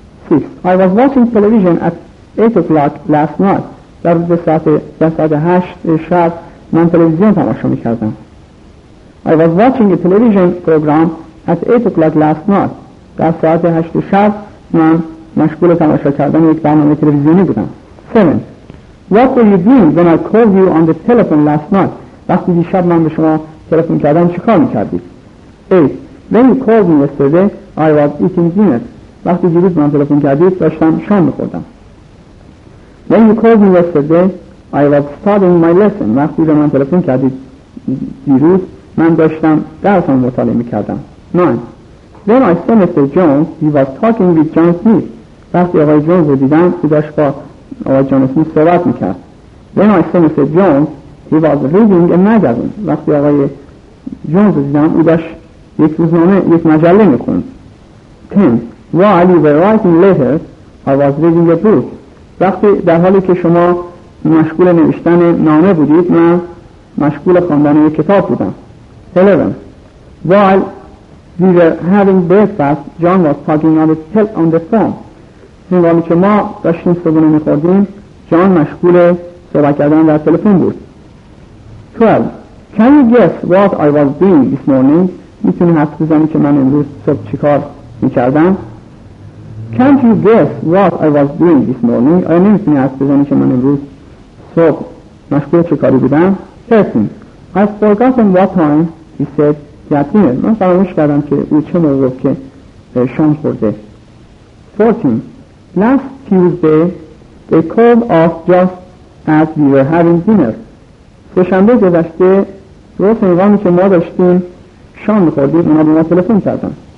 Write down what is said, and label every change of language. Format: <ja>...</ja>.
<en>6. I was watching television at 8 o'clock last night.</en> <fa>در حدود ساعت 8 شب من تلویزیون تماشا میکردم.</fa> <en>I was watching a television program at 8 o'clock last night.</en> <fa>در ساعت 8 شب من مشغول تماشا کردن یک برنامه تلویزیونی بودم.</fa> <en>7. What were you doing when I called you on the telephone last night?</en> <fa>وقتی دیشب من به شما تلفن کردم چیکار میکردید؟ 8.</fa> <en>When you called me yesterday, I was eating dinner.</en> <fa>وقتی دیروز من تلفن کردید داشتم شام میخوردم.</fa> <en>When you called me yesterday, I was studying my lesson.</en> <fa>وقتی به من تلفن کردید دیروز من داشتم درسم مطالعه میکردم.</fa> <en>9. Then I saw Mr. Jones. He was talking with John Smith.</en> <fa>وقتی آقای جونز رو دیدم که داشت با آقای جان اسمیت صحبت میکرد.</fa> <en>Then I saw Mr. Jones. He was reading a magazine.</en> <fa>وقتی آقای جونز رو دیدم او داشت یک روزنامه یک مجله میخوند.</fa> <en>10. While you were writing letters, I was reading a book.</en> <fa>وقتی در حالی که شما مشغول نوشتن نامه بودید من مشغول خواندن یک کتاب بودم.</fa> <en>11. While we were having breakfast, John was talking on the phone.</en> <fa>هنگامی که ما داشتیم صبحونه میخوردیم جان مشغول صحبت کردن در تلفن بود.</fa> <en>12. Can you guess what I was doing this morning?</en> <fa>میتونی حد بزنی که من امروز صبح چی کار میکردم؟</fa> <en>Can't you guess what I was doing this morning?</en> <fa>آیا نمیتونی حد بزنی که من امروز صبح مشغول چی کاری بودم؟ 13.</fa> <en>I've forgotten what time he said that dinner.</en> <fa>من فراموش کردم که او چه موقع که شام خورده.</fa> <en>14. Last Tuesday they called off just as we were having dinner.</en> <fa>سه شنبه گذشته روز هنگامی که ما داشتیم شام می‌خوردیم اونا به ما تلفن کردن.</fa>